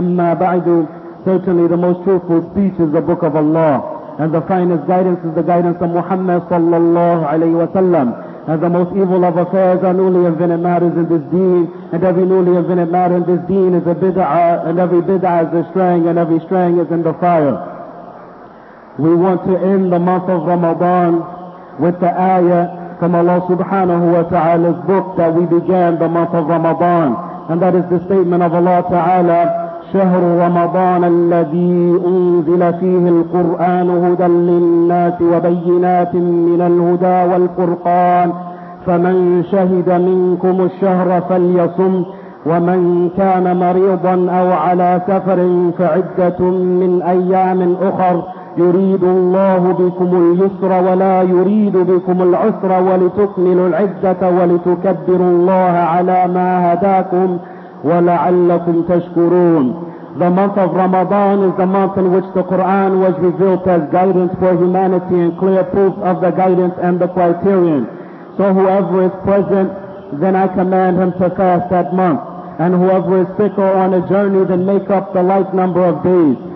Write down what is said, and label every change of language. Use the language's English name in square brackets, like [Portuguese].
[English] Amma ba'du, certainly the most truthful speech is the book of Allah, and the finest guidance is the guidance of Muhammad sallallahu alayhi wa sallam. And the most evil of affairs are newly invented matters in this deen, and every newly invented matter in this deen is a bid'ah, and every bid'ah is a straying, and every straying is in the fire. We want to end the month of Ramadan with the ayah from Allah subhanahu wa ta'ala's book that we began the month of Ramadan, and that is the statement of Allah ta'ala, [Arabic] شهر رمضان الذي أنزل فيه القرآن هدى للناس وبينات من الهدى والفرقان فمن شهد منكم الشهر فليصم ومن كان مريضا أو على سفر فعدة من أيام أخر يريد الله بكم اليسر ولا يريد بكم العسر ولتكملوا العدة ولتكبروا الله على ما هداكم وَلَعَلَّكُمْ تَشْكُرُونَ. [English] The month of Ramadan is the month in which the Quran was revealed as guidance for humanity and clear proof of the guidance and the criterion. So whoever is present, then I command him to fast that month. And whoever is sick or on a journey, then make up the like number of days.